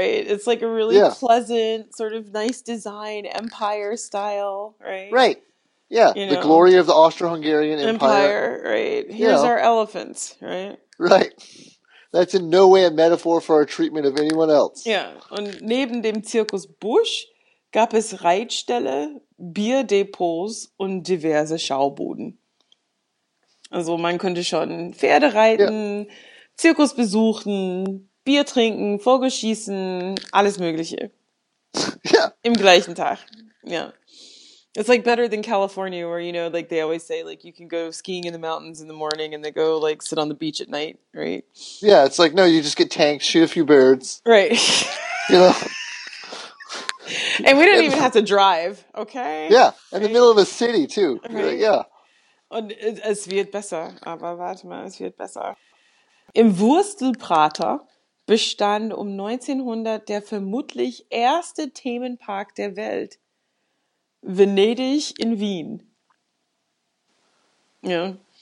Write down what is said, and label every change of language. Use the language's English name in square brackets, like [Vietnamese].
[English] It's like a really pleasant, sort of nice design, empire style, right? Right. Yeah. You know, the glory of the Austro-Hungarian Empire. Empire, right. Here's our elephants, right? Right. That's in no way a metaphor for our treatment of anyone else. Yeah. [German] Und neben dem Zirkus Busch gab es Reitställe, Bierdepots und diverse Schaubuden. Also man könnte schon Pferde reiten, Zirkus besuchen, Bier trinken, Vogelschießen, alles Mögliche. Ja. Im gleichen Tag. Ja. [English] It's like better than California, where you know, like they always say, like you can go skiing in the mountains in the morning and then go like sit on the beach at night, right? Yeah, it's like no, you just get tanked, shoot a few birds. Right. You know. And we don't even have to drive, okay? Yeah, in the middle of a city too. Right. Like, yeah. [German] Und es wird besser, aber warte mal, es wird besser. Im Wurstelprater bestand um 1900 der vermutlich erste Themenpark der Welt. Venedig in Wien. Ja.